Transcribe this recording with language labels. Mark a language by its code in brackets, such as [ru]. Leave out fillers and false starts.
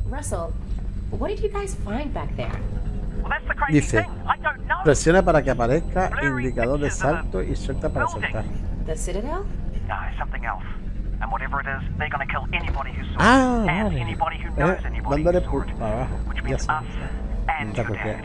[en] Russell, what did you guys find back there? Well, that's the [es] Dice, presiona para que aparezca indicador de salto y suelta para saltar. [en] The Citadel? No, something else. And whatever it is, they're gonna kill anybody who saw anybody who knows anybody who saw it. Which means us and your dad.